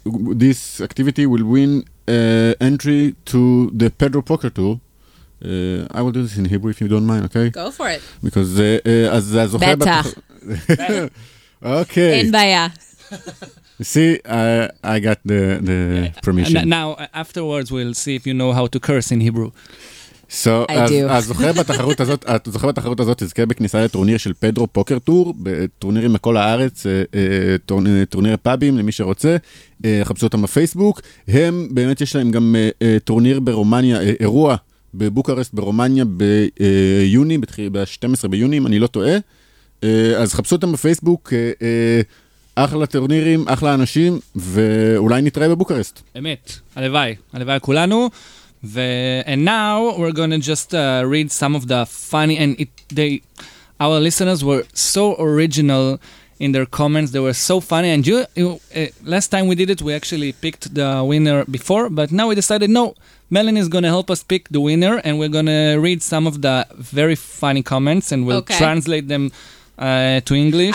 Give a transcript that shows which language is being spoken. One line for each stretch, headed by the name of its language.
English: This activity will win entry to the Pedro Poker Tour. I will do this in Hebrew if you don't mind. Okay, go for it. Because as Beta. Beta. Okay, in Baya. See, I got the permission. Now, afterwards, we'll see if you know how to curse in Hebrew.
Hebrew: So, הזוכה בתחרות הזאת תזכה בכניסה לטורניר של פדרו פוקר טור, בטורנירים מכל הארץ, טורניר פאבים למי שרוצה, חפשו אותם בפייסבוק. הם, באמת יש להם גם טורניר ברומניה, אירוע בבוקרסט ברומניה ביוני, ב-12 ביוני, אם אני לא טועה. אז חפשו אותם בפייסבוק, אחלה טורנירים, אחלה אנשים, ואולי נתראה בבוקרסט. אמת, הלוואי, הלוואי כולנו.
English: And now we're going to just read some of the funny, and our listeners were so original in their comments. They were so funny. And last time we did it, we actually picked the winner before, but now we decided, no, Melanie is going to help us pick the winner, and we're going to read some of the very funny comments, and we'll translate them to English.